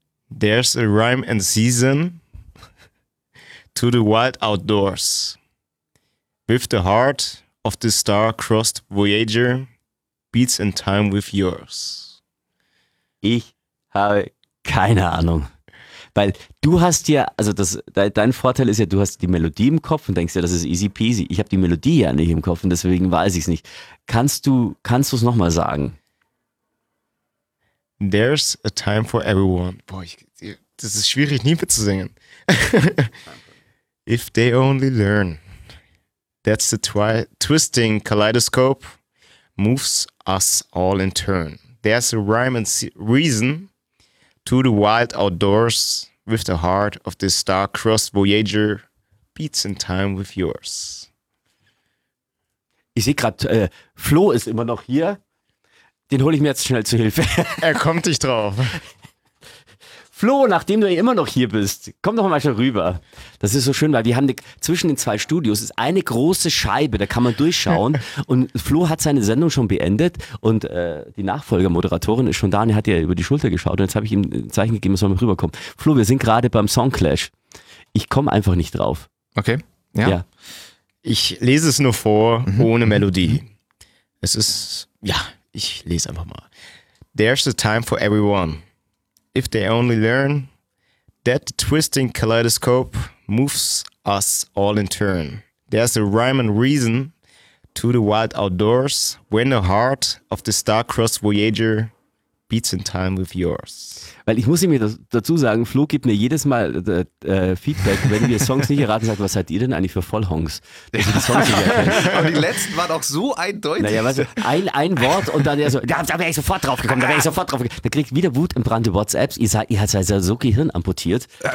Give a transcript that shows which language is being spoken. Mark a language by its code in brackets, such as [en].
[en] There's a rhyme and season to the wild outdoors. With the heart of the star-crossed Voyager beats in time with yours. [de] Ich habe keine Ahnung. Weil du hast ja, also dein Vorteil ist ja, du hast die Melodie im Kopf und denkst ja, das ist easy peasy. Ich habe die Melodie ja nicht im Kopf und deswegen weiß ich es nicht. Kannst du es nochmal sagen? [en] There's a time for everyone. [de] Boah, das ist schwierig, nie mitzusingen. [en] If they only learn, that's the twisting kaleidoscope moves us all in turn. There's a rhyme and reason to the wild outdoors, with the heart of this star-crossed Voyager, beats in time with yours. [de] Ich sehe gerade, Flo ist immer noch hier. Den hole ich mir jetzt schnell zu Hilfe. Er kommt nicht drauf. Flo, nachdem du immer noch hier bist, komm doch mal schon rüber. Das ist so schön, weil wir haben zwischen den zwei Studios ist eine große Scheibe, da kann man durchschauen. Und Flo hat seine Sendung schon beendet und die Nachfolgermoderatorin ist schon da und hat ja über die Schulter geschaut. Und jetzt habe ich ihm ein Zeichen gegeben, er soll mal rüberkommen. Flo, wir sind gerade beim Song Clash. Ich komme einfach nicht drauf. Okay, ja. Ich lese es nur vor, ohne Melodie. Es ist, ja, ich lese einfach mal. [en] There's the time for everyone. if they only learn that the twisting kaleidoscope moves us all in turn. There's a rhyme and reason to the wild outdoors when the heart of the star-crossed Voyager beats in time with yours. [de] Weil ich muss ihm dazu sagen, Flo gibt mir jedes Mal Feedback, wenn wir Songs nicht erraten, sagt, was seid ihr denn eigentlich für Vollhongs? Dass ihr die Songs nicht erkennt. Aber die letzten waren auch so eindeutig. Naja, weißt du, ein Wort und dann so, da wäre ich sofort drauf gekommen, Da kriegt wieder Wut im Brand die WhatsApps, ihr seid so Gehirn amputiert.